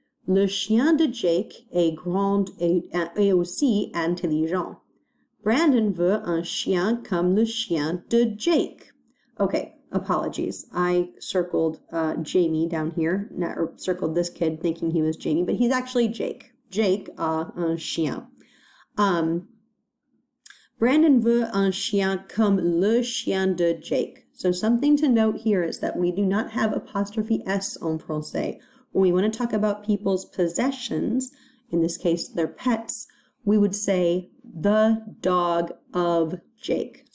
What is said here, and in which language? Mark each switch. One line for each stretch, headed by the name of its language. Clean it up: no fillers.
French: Le chien de Jake est grand et aussi intelligent. Brandon veut un chien comme le chien de Jake.
English: Okay, apologies. I circled Jamie down here, not, or circled this kid thinking he was Jamie, but he's actually Jake.
French: Jake a un chien. Brandon veut un chien comme le chien de Jake.
English: So something to note here is that we do not have apostrophe S
French: en français.
English: When we want to talk about people's possessions, in this case their pets, we would say the dog of Jake.